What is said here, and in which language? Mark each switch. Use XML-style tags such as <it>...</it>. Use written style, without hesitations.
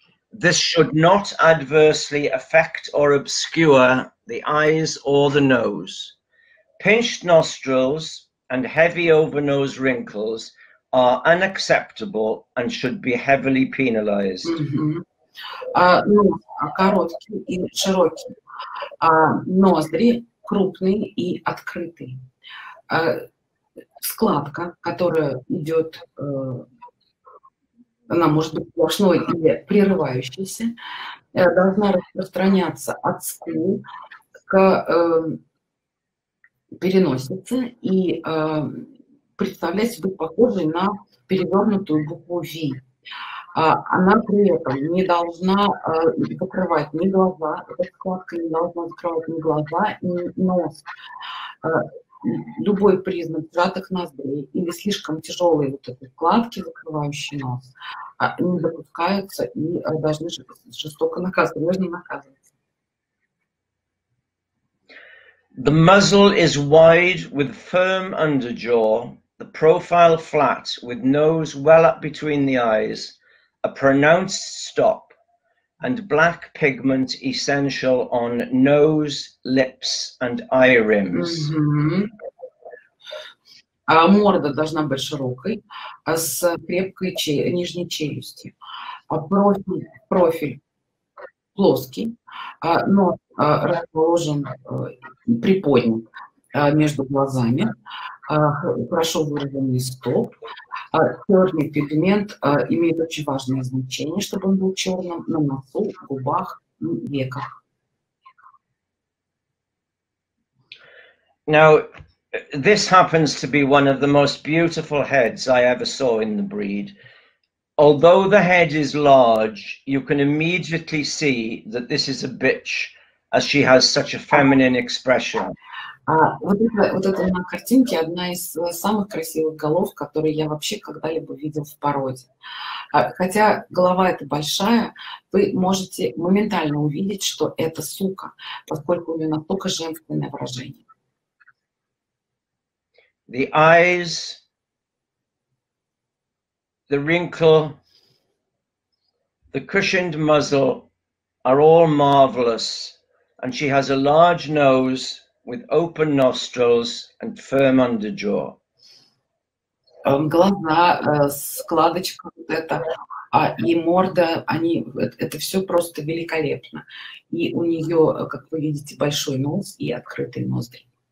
<en>This should not adversely affect or obscure the eyes or the nose. Pinched nostrils and heavy overnose wrinkles are unacceptable and should be heavily penalized.</en> <ru>Короткий и широкий, ноздри крупные и открытые, складка, которая идет, она может быть сплошной или прерывающейся, должна распространяться от скул к переносице и представлять себе похожей на перевернутую букву V. Она при этом не должна закрывать ни глаза, эта складка не должна закрывать ни глаза, ни нос. Любой признак сжатых ноздрей или слишком тяжелые вот эти складки, закрывающие нос, не допускаются и должны жестоко наказываться, должны наказываться.</ru> <en>The muzzle is wide with firm underjaw, the profile flat with nose well up between the eyes. A pronounced stop and black pigment essential on nose, lips and eye rims.</en> <ru>Морда должна быть широкой, с крепкой нижней челюстью. Профиль плоский, но расположен приподнят между глазами. Хорошо выраженный стоп. Черный пигмент имеет очень важное значение, чтобы он был черным на носу, губах и веках.</ru> <en>Now, this happens to be one of the most beautiful heads I ever saw in the breed. Although the head is large, you can immediately see that this is a bitch, as she has such a feminine expression.</en> <ru>Вот это на картинке одна из самых красивых голов, которые я вообще когда-либо видел в породе. Хотя голова эта большая, вы можете моментально увидеть, что это сука, поскольку у нее настолько женственное выражение.</ru> <en>The eyes, the wrinkle, the cushioned muzzle are all marvelous, and she has a large nose with open nostrils and firm underjaw.</en> <ru>Глаза, складочка вот эта, и морда, они, это все просто великолепно. И у нее, как вы видите, большой нос и открытые ноздри.</ru>